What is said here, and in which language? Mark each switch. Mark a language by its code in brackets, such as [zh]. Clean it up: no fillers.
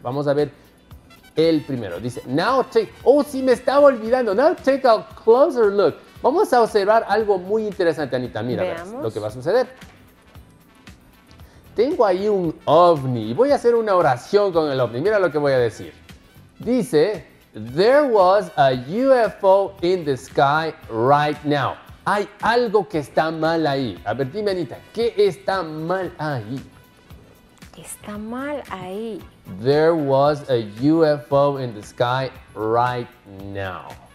[es] Vamos a ver el primero. Dice, now take... Oh, sí, me estaba olvidando. [en] Now take a closer look. [es] Vamos a observar algo muy interesante, Anita. Mira, veamos. Verás lo que va a suceder. Tengo ahí un ovni. Voy a hacer una oración con el ovni. Mira lo que voy a decir. [en] Dice, there was a UFO in the sky right now. [es] Hay algo que está mal ahí. A ver, dime, Anita, ¿qué está mal ahí? Está mal ahí. [en] There was a UFO in the sky right now.